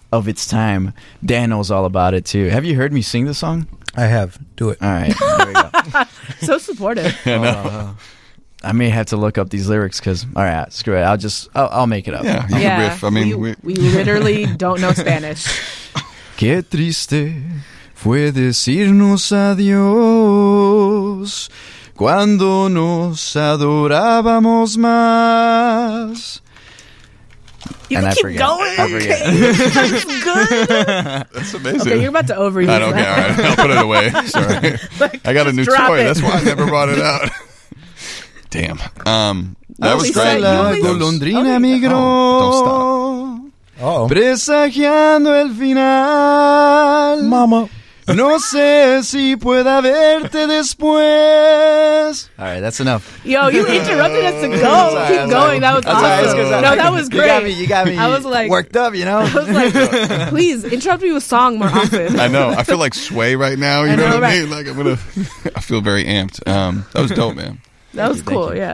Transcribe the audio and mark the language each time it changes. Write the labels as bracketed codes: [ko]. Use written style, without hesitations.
[en] Of its time. Dan knows all about it too. Have you heard me sing the song? I have. Do it. All right. There you go. So supportive. I may have to look up these lyrics because, all right, screw it. I'll make it up. Yeah. Riff. I mean, we literally don't know Spanish. [es] Qué triste fue decirnos adiós cuando nos adorábamos más. [en] You can keep going. I forget. That's good. That's amazing. Okay, you're about to overuse it. I don't care. All right, I'll put it away. Sorry. Like, I got a new toy. It. That's why I never brought it out. Damn. That was great. [es] La golondrina migró. [en] Don't stop. Uh-oh. [es] Presagiando el final. [en] Mama. [es] No sé si pueda verte después. [en] All right, that's enough. Yo, you interrupted us to go. Keep going. That was awesome. No, that was great. You got me I was like, worked up, you know? I was like, please, interrupt me with song more often. I know. I feel like Sway right now. You know what I mean? Like, I feel very amped. That was dope, man. That was cool. Yeah.